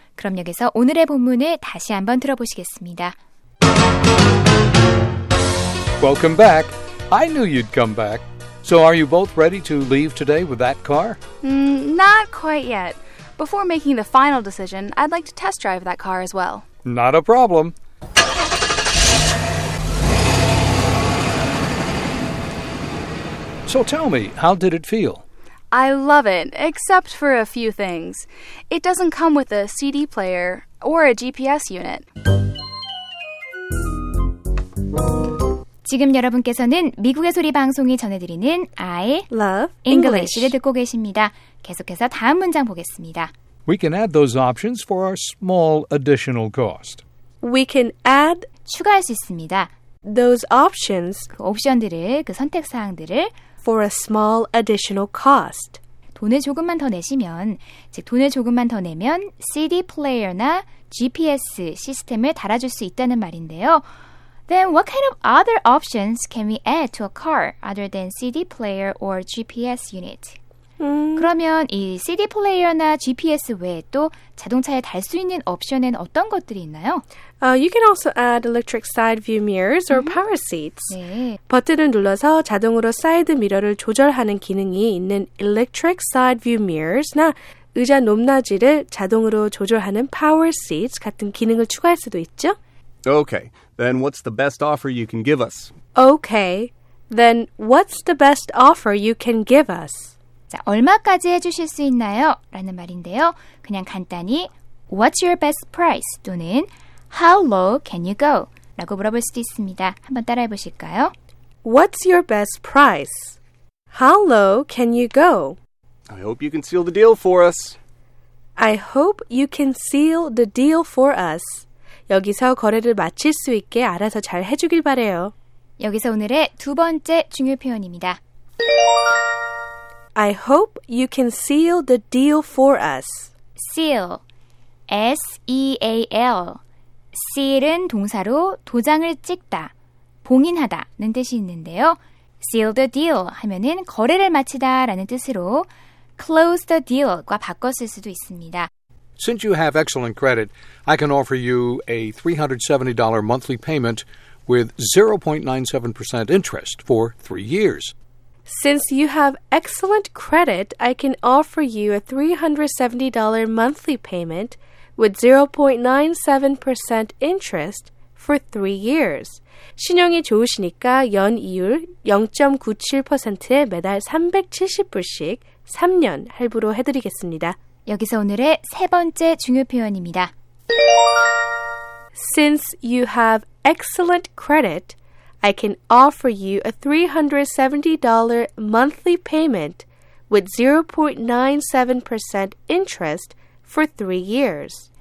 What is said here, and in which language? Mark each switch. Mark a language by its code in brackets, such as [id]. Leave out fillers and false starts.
[ko] 그럼 여기서 오늘의 본문을 다시 한번 들어보시겠습니다. [en] Welcome back. I knew you'd come back. So are you both ready to leave today with that car? Not quite yet. Before making the final decision, I'd like to test drive that car as well. Not a problem. So tell me, how did it feel? I love it, except for a few things. It doesn't come with a CD player or a GPS unit. [ko] 지금 여러분께서는 미국의 소리 방송이 전해드리는 [en] I Love English [ko] 를 듣고 계십니다. 계속해서 다음 문장 보겠습니다. [en] We can add those options for our small additional cost. We can add [ko] 추가할 수 있습니다. [en] Those options [ko] 그 옵션들을, 그 선택 사항들을 [en] for a small additional cost. [ko] 돈을 조금만 더 내시면, 즉 돈을 조금만 더 내면 CD 플레이어나 GPS 시스템을 달아줄 수 있다는 말인데요. [en] Then what kind of other options can we add to a car other than CD player or GPS unit? [ko] 그러면 이 CD 플레이어나 GPS 외에 또 자동차에 달 수 있는 옵션은 어떤 것들이 있나요? [en] You can also add electric side view mirrors or power seats. [ko] 네. 버튼을 눌러서 자동으로 사이드 미러를 조절하는 기능이 있는 electric side view mirrors나 의자 높낮이를 자동으로 조절하는 power seats 같은 기능을 추가할 수도 있죠. [en] Okay, then what's the best offer you can give us? Okay, then what's the best offer you can give us? [ko] 자, 얼마까지 해주실 수 있나요? 라는 말인데요. 그냥 간단히 [en] What's your best price? [ko] 또는 [en] How low can you go? [ko] 라고 물어볼 수도 있습니다. 한번 따라해 보실까요? [en] What's your best price? How low can you go? I hope you can seal the deal for us. I hope you can seal the deal for us. [ko] 여기서 거래를 마칠 수 있게 알아서 잘 해주길 바래요. 여기서 오늘의 두 번째 중요 표현입니다. [en] I hope you can seal the deal for us. Seal. S-E-A-L. [ko] Seal은 동사로 도장을 찍다, 봉인하다는 뜻이 있는데요. [en] Seal the deal [ko] 하면은 거래를 마치다라는 뜻으로 close the deal과 바꿨을 수도 있습니다. [en] Since you have excellent credit, I can offer you a $370 monthly payment with 0.97% interest for 3 years. Since you have excellent credit, I can offer you a $370 monthly payment with 0.97% interest for 3 years. [ko] 신용이 좋으시니까 연 이율 0.97%에 매달 370불씩 3년 할부로 해드리겠습니다. 여기서 오늘의 세 번째 중요 표현입니다. [en] Since you have excellent credit, I can offer you a $370 monthly payment with 0.97% interest for 3 years.